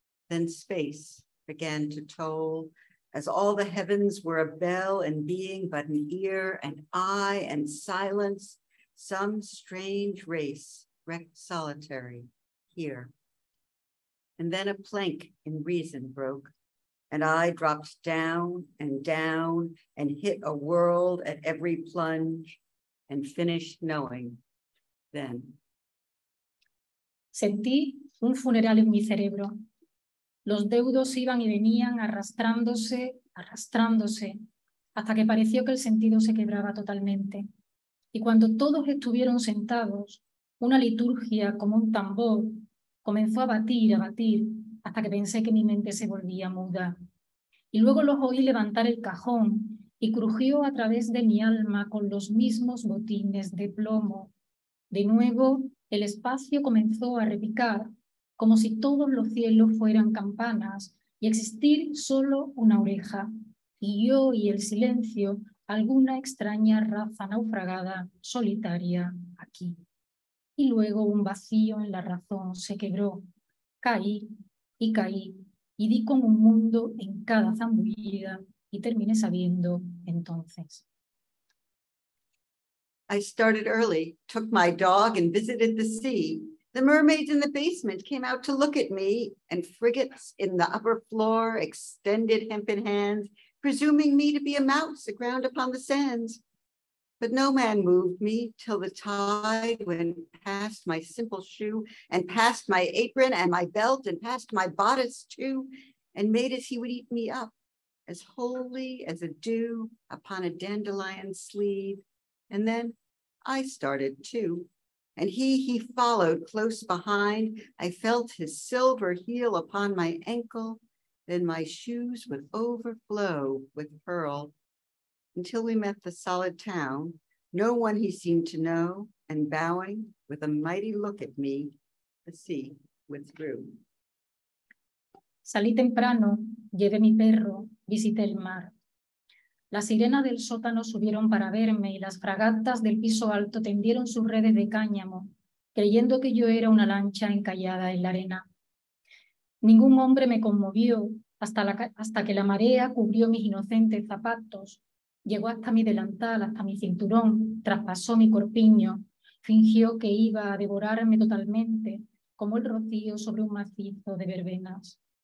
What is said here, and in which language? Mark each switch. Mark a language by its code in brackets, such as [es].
[en] Then space began to toll, as all the heavens were a bell and being but an ear and eye and silence, some strange race wrecked solitary here. And then a plank in reason broke, and I dropped down and down and hit a world at every plunge and finished knowing then. [es] Sentí un funeral en mi cerebro. Los deudos iban y venían arrastrándose, arrastrándose, hasta que pareció que el sentido se quebraba totalmente. Y cuando todos estuvieron sentados, una liturgia como un tambor comenzó a batir, hasta que pensé que mi mente se volvía muda. Y luego los oí levantar el cajón y crujió a través de mi alma con los mismos botines de plomo. De nuevo, el espacio comenzó a repicar, como si todos los cielos fueran campanas y existir solo una oreja, y yo y el silencio, alguna extraña raza naufragada, solitaria, aquí. Y luego un vacío en la razón se quebró. Caí, y di con un mundo en cada zambullida, y terminé sabiendo entonces. [en] I started early, took my dog and visited the sea. The mermaids in the basement came out to look at me, and frigates in the upper floor extended hempen hands, presuming me to be a mouse aground upon the sands. But no man moved me till the tide went past my simple shoe and past my apron and my belt and past my bodice too, and made as he would eat me up, as wholly as a dew upon a dandelion sleeve. And then I started too. And he followed close behind. I felt his silver heel upon my ankle. Then my shoes would overflow with pearl. Until we met the solid town, no one he seemed to know, and bowing with a mighty look at me, the sea withdrew. [es] Salí temprano, llevé mi perro, visité el mar. Las sirenas del sótano subieron para verme y las fragatas del piso alto tendieron sus redes de cáñamo, creyendo que yo era una lancha encallada en la arena. Ningún hombre me conmovió hasta que la marea cubrió mis inocentes zapatos, llegó hasta mi delantal, hasta mi cinturón, traspasó mi corpiño, fingió que iba a devorarme totalmente, como el rocío sobre un macizo de verbenas.